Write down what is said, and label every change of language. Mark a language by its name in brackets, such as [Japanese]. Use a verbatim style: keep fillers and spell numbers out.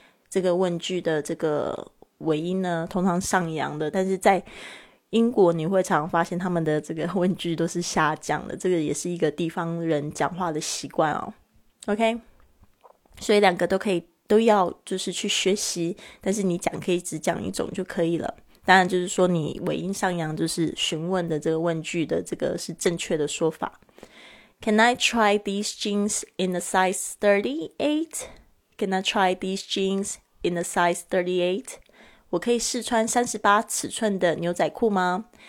[Chinese] 这个问句的这个尾音呢通常上扬的，但是在英国你会常发现他们的这个问句都是下降的，这个也是一个地方人讲话的习惯哦。 OK， 所以两个都可以都要就是去学习，但是你讲可以只讲一种就可以了。当然就是说你尾音上扬就是询问的这个问句的这个是正确的说法。 [English] Can I try these jeans in a size thirty-eight? Can I try these jeans in a size thirty-eight? [Chinese] 我可以试穿三十八尺寸的牛仔裤吗？